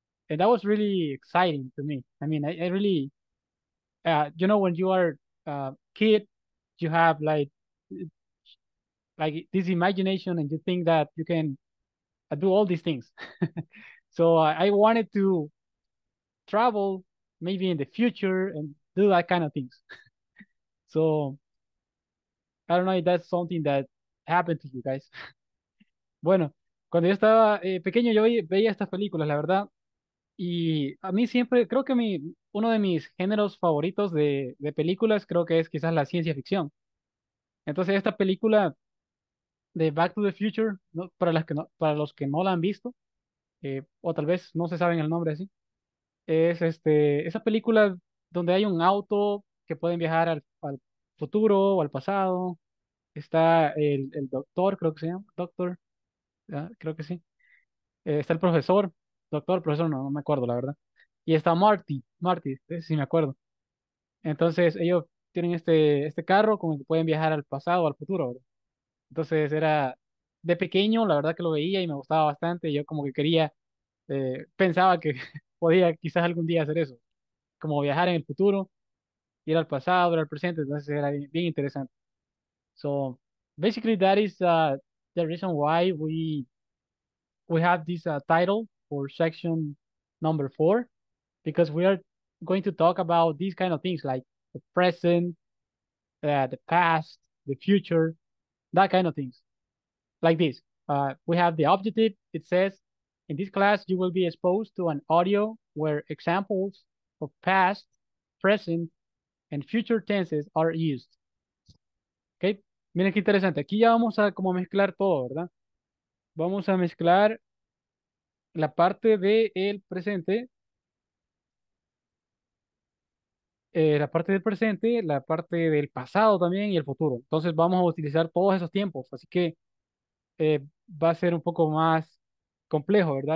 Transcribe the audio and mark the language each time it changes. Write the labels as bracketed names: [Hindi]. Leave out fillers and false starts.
[English] And that was really exciting to me. I mean, I really, you know, when you are a kid, you have like this imagination, and you think that you can do all these things. So I wanted to travel maybe in the future and do that kind of things. So I don't know if that's something that happened to you guys. [Spanish] Bueno, cuando yo estaba pequeño, yo veía estas películas, la verdad. Y a mí siempre, creo que uno de mis géneros favoritos de películas creo que es quizás la ciencia ficción. Entonces esta película de Back to the Future, ¿no? Para los que no la han visto, o tal vez no se saben el nombre así, es esa película donde hay un auto que pueden viajar al futuro o al pasado. Está el doctor, creo que se llama, doctor, ¿ya? Creo que sí. Está el profesor. Doctor, profesor, no me acuerdo, la verdad. Y está Marty, sí me acuerdo. Entonces, ellos tienen este carro con el que pueden viajar al pasado o al futuro, ¿verdad? Entonces, era de pequeño, la verdad que lo veía y me gustaba bastante. Yo como que quería, pensaba que podía quizás algún día hacer eso. Como viajar en el futuro, ir al pasado, ir al presente. Entonces, era bien, bien interesante. [English] So, basically, that is the reason why we have this title. For section number four, because we are going to talk about these kind of things like the present, the past, the future, that kind of things. Like this, we have the objective. It says, in this class, you will be exposed to an audio where examples of past, present, and future tenses are used. [Spanish] Okay, miren qué interesante. Aquí ya vamos a como mezclar todo, ¿verdad? Vamos a mezclar la parte del presente, la parte del presente, la parte del pasado también y el futuro. Entonces vamos a utilizar todos esos tiempos, así que va a ser un poco más complejo, ¿verdad?